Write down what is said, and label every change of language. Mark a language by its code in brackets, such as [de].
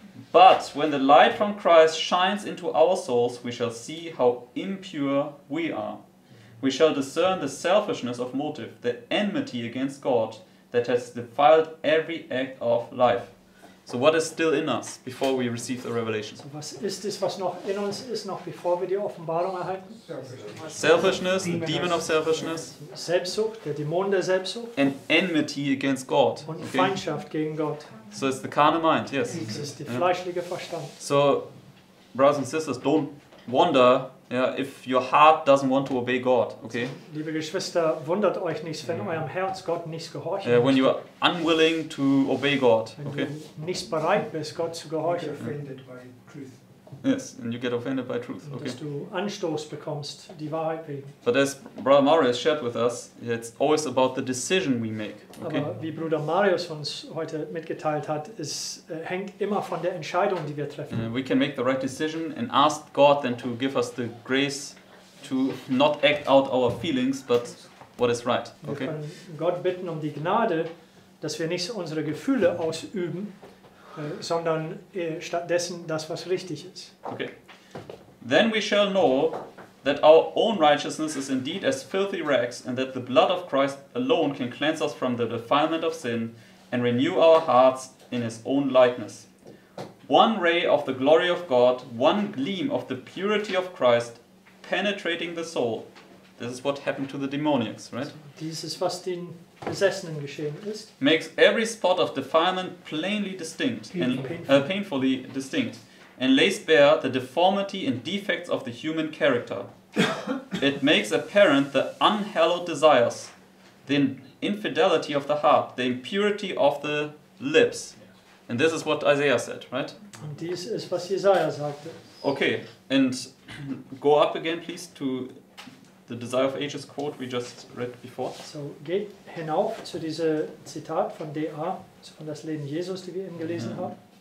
[en] But when the light from Christ shines into our souls, we shall see how impure we are. We shall discern the selfishness of motive, the enmity against God that has defiled every act of life. So what is still in us before we receive the revelation? [de] So was ist es, was noch in uns ist, noch bevor wir die Offenbarung erhalten? [en] Selfishness, the demon of selfishness. [de] Selbstsucht, der Dämon der Selbstsucht. [en] And enmity against God. [de] Und okay? Feindschaft gegen Gott. [en] So it's the carnal mind, yes. [de] Es ist der fleischliche Verstand. [en] So, brothers and sisters, don't wonder, yeah, if your heart doesn't want to obey God, okay? [de] Liebe Geschwister, wundert euch nicht, wenn eurem Herz Gott nicht gehorcht. [en] When you are unwilling to obey God, okay? [de] Wenn du nicht bereit bist, Gott zu gehorchen. [en] You get offended by truth. Yes, and you get offended by truth, okay? [de] Dass du Anstoß bekommst, die Wahrheit wegen. [en] But as Brother Marius shared with us, it's always about the decision we make, okay? [de] Aber wie Bruder Marius uns heute mitgeteilt hat, es hängt immer von der Entscheidung, die wir treffen. [en] We can make the right decision and ask God then to give us the grace to not act out our feelings, but what is right, okay? [de] Wir können Gott bitten um die Gnade, dass wir nicht unsere Gefühle ausüben, sondern stattdessen das, was richtig ist. [en] Okay. Then we shall know that our own righteousness is indeed as filthy rags, and that the blood of Christ alone can cleanse us from the defilement of sin and renew our hearts in his own likeness. One ray of the glory of God, one gleam of the purity of Christ penetrating the soul, This is what happened to the demoniacs, right? [de] Dies ist, was den Besessenen geschehen ist. [en] Makes every spot of defilement plainly distinct painfully distinct, and lays bare the deformity and defects of the human character. It makes apparent the unhallowed desires, the infidelity of the heart, the impurity of the lips. And this is what Isaiah said, right? [de] Und dies ist, was Jesaja sagte. [en] Okay, and go up again, please, to the Desire of Ages quote we just read before. [de] So, geht hinauf zu diesem Zitat von D.A., von das Leben Jesus, die wir eben gelesen haben.